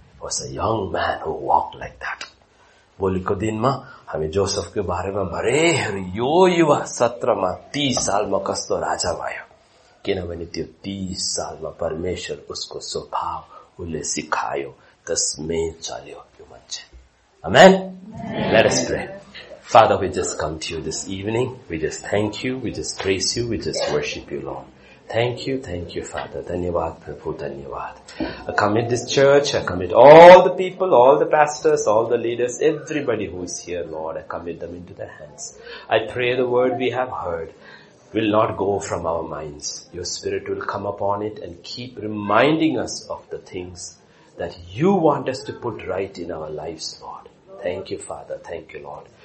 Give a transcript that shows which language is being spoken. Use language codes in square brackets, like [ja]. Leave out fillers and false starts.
[en] Was a young man who walk like that. [ne] भोलिको दिनमा हामी जोसेफको बारेमा भरे हेरौँ, यो युवा 17 मा 30 सालमा कस्तो राजा भयो, किनभने त्यो 30 सालमा परमेश्वर उसको स्वभाव उसले सिकायो, त्यसमै चल्यो त्यो मान्छे. [en] Amen. Let us pray. Father, we just come to you this evening, we just thank you, we just praise you, we just worship you lord. Thank you, Father. [ne] Dhanyavad, Prabhu, Dhanyavad. [en] I commit this church, I commit all the people, all the pastors, all the leaders, everybody who is here, Lord, I commit them into their hands. I pray the word we have heard will not go from our minds. Your spirit will come upon it and keep reminding us of the things that you want us to put right in our lives, Lord. Thank you, Father. Thank you, Lord.